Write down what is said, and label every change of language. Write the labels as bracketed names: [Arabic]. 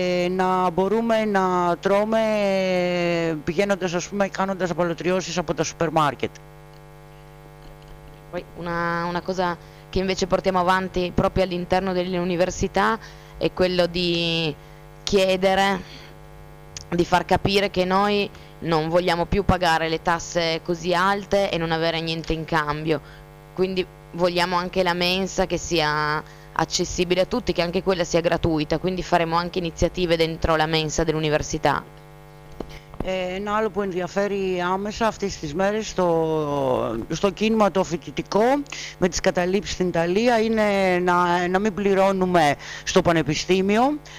[Greek] Να μπορούμε να τρώμε πηγαίνοντας, ας πούμε, κάνοντας απολωτριώσεις από τα σούπερ μάρκετ. [Italian] Una cosa che invece portiamo avanti proprio all'interno delle università è quello di chiedere, di far capire che noi non vogliamo più pagare le tasse così alte e non avere niente in cambio. Quindi vogliamo anche la mensa che sia accessibile a tutti, che anche quella sia gratuita, quindi faremo anche iniziative dentro la mensa dell'università. [Greek] Ένα άλλο που ενδιαφέρει άμεσα αυτές τις μέρες στο κίνημα το φοιτητικό με τις καταλήψεις στην Ιταλία είναι να μην πληρώνουμε στο πανεπιστήμιο.